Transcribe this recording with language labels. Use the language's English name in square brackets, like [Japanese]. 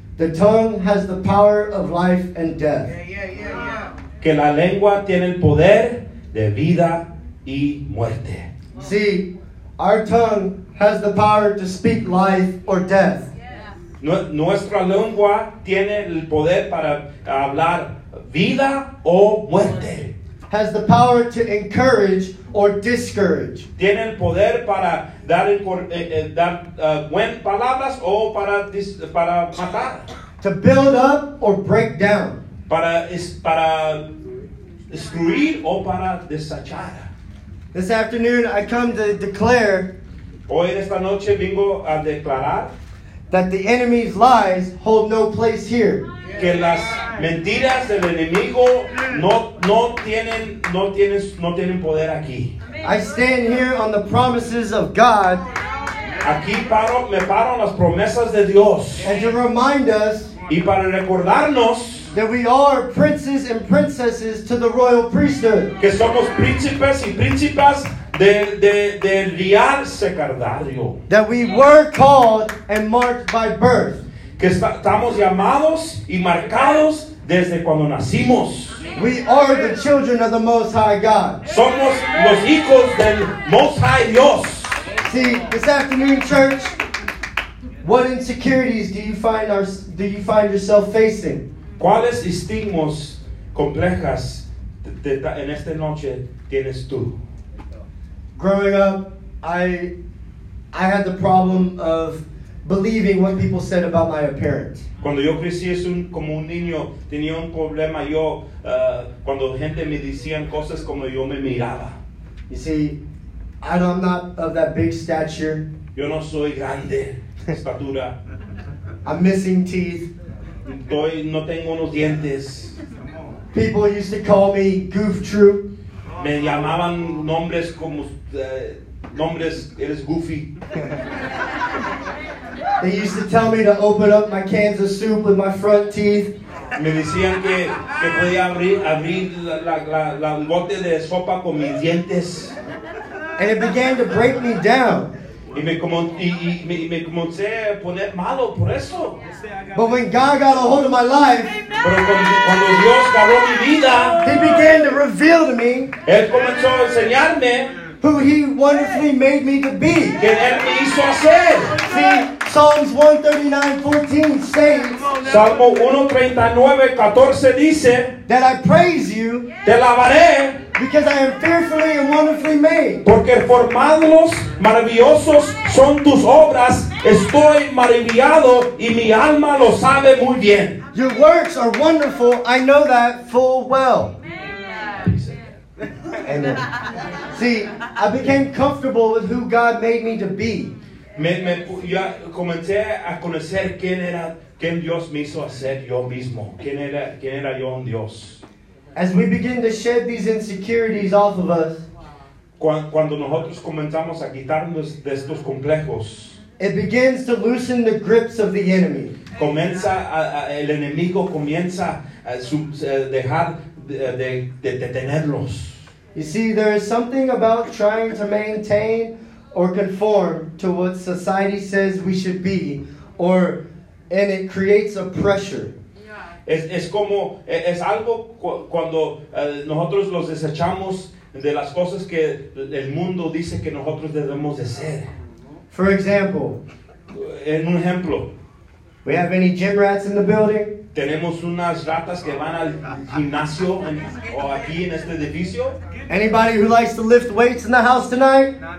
[English] the tongue has the power of life and death. [Spanish] Que la lengua tiene el poder de vida y muerte. [English] See, our tongue has the power to speak life or death. [Spanish] Nuestra lengua tiene el poder para hablar vida o muerte. [English] Has the power to encourage or discourage. [Spanish] Tiene el poder para dar buen palabras o para matar. [English] To build up or break down. [Spanish] Para destruir o para desechar. [English] This afternoon I come to declare. [Spanish] Hoy esta noche vengo a declarar. [English] That the enemy's lies hold no place here. [Spanish] Que las mentiras del enemigo no tienen poder aquí. [English] I stand here on the promises of God. [Spanish] Aquí me paro en las promesas de Dios. [English] And to remind us. [Spanish] Y para recordarnos. [English] That we are princes and princesses to the royal priesthood. [Spanish] Que somos príncipes y príncipas. De real sacerdocio. [English] That we were called and marked by birth. [Spanish] Que estamos llamados y marcados desde cuando nacimos. [English] We are the children of the Most High God. [Spanish] Somos los hijos del Most High Dios. [English] See, this afternoon, church, what insecurities do you find yourself facing? [Spanish] ¿Cuáles estigmas complejas en esta noche tienes tú? [English] Growing up, I had the problem of believing what people said about my appearance. [Spanish] Cuando yo crecí como un niño, tenía un problema yo cuando gente me decían cosas como yo me miraba. [English] You see, I'm not of that big stature. [Spanish] Yo no soy grande, estatura. [English] I'm missing teeth. [Spanish] No tengo unos dientes. [English] People used to call me Goof Troop. [Spanish] Me llamaban nombres como nombres, eres goofy. [English] They used to tell me to open up my cans of soup with my front teeth. [Spanish] Me decían que podía abrir la bote de sopa con mis dientes. [English] And it began to break me down. [Spanish] Y me comencé a poner malo por eso. [English] But when God got a hold of my life, [Spanish] cuando Dios agarró mi vida, [English] He began to reveal to me, [Spanish] Él comenzó a enseñarme, [English] who He wonderfully made me to be. [Spanish] Que Él me hizo hacer. [English] See, Psalms 139:14 states, [Spanish] Salmo 139:14 dice, [English] that I praise you, [Spanish] te alabaré, [English] because I am fearfully and wonderfully made. [Spanish] Porque formados maravillosos son tus obras, estoy maravillado y mi alma lo sabe muy bien. [English] Your works are wonderful, I know that full well. Amen. Amen. See, I became comfortable with who God made me to be. [Spanish] Ya comencé a conocer quién Dios me hizo hacer yo mismo. ¿Quién era yo en Dios? [English] As we begin to shed these insecurities off of us, [Spanish] cuando nosotros comenzamos a quitarnos de estos complejos, [English] it begins to loosen the grips of the enemy. [Spanish] Comienza el enemigo comienza a dejar de detenerlos. [English] You see, there is something about trying to maintain or conform to what society says we should be, or and it creates a pressure. [Spanish] Es algo cuando nosotros los desechamos de las cosas que el mundo dice que nosotros debemos de ser. [English] For example, [Spanish] en un ejemplo, [English] we have any gym rats in the building? [Spanish] Tenemos unas ratas que van al gimnasio o aquí en este edificio. [English] Anybody who likes to lift weights in the house tonight?